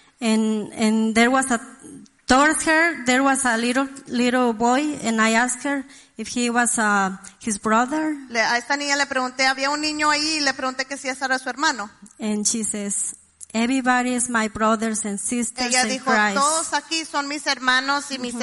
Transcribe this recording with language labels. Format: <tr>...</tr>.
<en>and there was a towards her there was a little boy and I asked her if he was his brother.</en> <es>A esta niña le pregunté había un niño ahí y le pregunté que si ese era su hermano.</es> <en>And she says everybody is my brothers and sisters.</en> <es>Ella dijo</es> <en>in Christ.</en> <es>Todos aquí son mis hermanos y mis mm-hmm.</es>